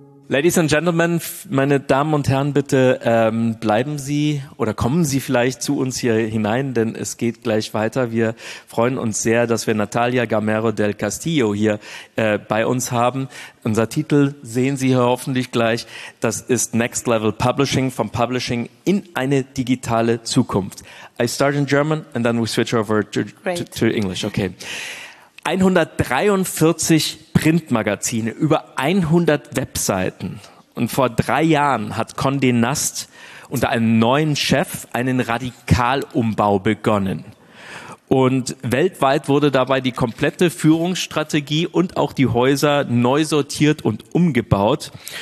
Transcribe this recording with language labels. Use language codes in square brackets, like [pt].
[en] Ladies and Gentlemen, [de] meine Damen und Herren, bitte bleiben Sie oder kommen Sie vielleicht zu uns hier hinein, denn es geht gleich weiter. Wir freuen uns sehr, dass wir Natalia Gamero del Castillo hier bei uns haben. Unser Titel sehen Sie hier hoffentlich gleich. Das ist Next Level Publishing, vom Publishing in eine digitale Zukunft. [en] I start in German and then we switch over to English. Okay. [de] 143 Printmagazine, über 100 Webseiten. Und vor 3 Jahren hat Condé Nast unter einem neuen Chef einen Radikalumbau begonnen. Und weltweit wurde dabei die komplette Führungsstrategie und auch die Häuser neu sortiert und umgebaut.